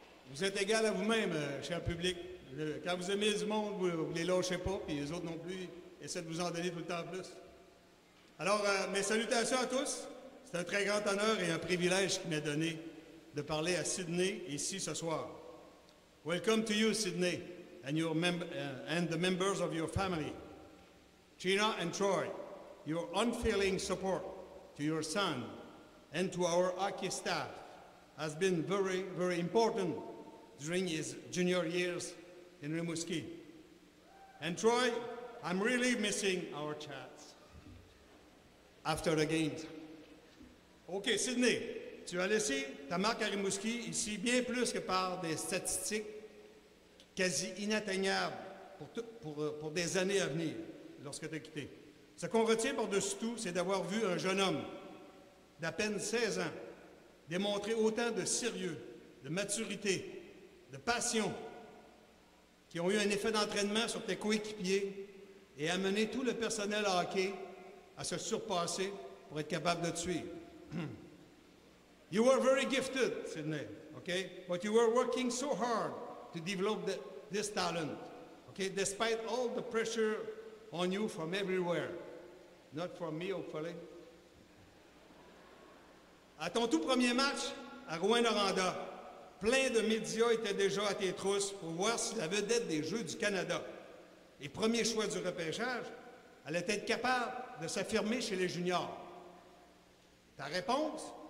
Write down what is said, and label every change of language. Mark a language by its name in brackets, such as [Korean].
[French] Vous êtes égal à vous-même, cher public. Quand vous aimez du monde, vous ne les lâchez pas, puis les autres non plus essaient de vous en donner tout le temps plus. Alors, mes salutations à tous. C'est un très grand honneur et un privilège qui m'est donné de parler à Sydney ici ce soir. [English] Welcome to you, Sydney, and your and the members of your family. Gina and Troy, your unfailing support to your son and to our hockey staff has been very, very important during his junior years in Rimouski. And Troy, I'm really missing our chats after the games. [French] OK, Sydney, tu as laissé ta marque à Rimouski ici bien plus que par des statistiques quasi inatteignables pour des années à venir lorsque tu as quitté. Ce qu'on retient par-dessus tout, c'est d'avoir vu un jeune homme d'à peine 16 ans, démontrer autant de sérieux, de maturité, de passion, qui ont eu un effet d'entraînement sur tes coéquipiers et amené tout le personnel à hockey à se surpasser pour être capable de te suivre. [English] You were very gifted, Sydney, okay? But you were working so hard to develop this talent, okay? Despite all the pressure on you from everywhere. Not from me, hopefully. [French] À ton tout premier match à Rouyn-Noranda, plein de médias étaient déjà à tes trousses pour voir si la vedette des Jeux du Canada et premier choix du repêchage allait être capable de s'affirmer chez les juniors. Ta réponse?